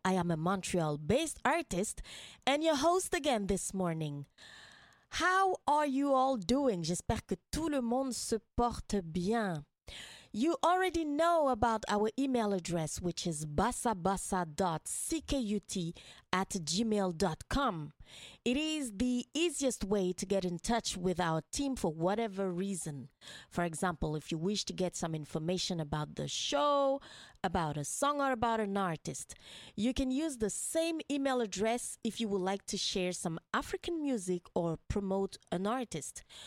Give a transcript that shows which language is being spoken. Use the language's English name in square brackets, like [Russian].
[English] I am a Montreal-based artist and your host again this morning. How are you all doing? [French] J'espère que tout le monde se porte bien. [English] You already know about our email address, which is bassabassa.ckut@gmail.com. It is the easiest way to get in touch with our team for whatever reason. For example, if you wish to get some information about the show, about a song, or about an artist, you can use the same email address if you would like to share some African music or promote an artist.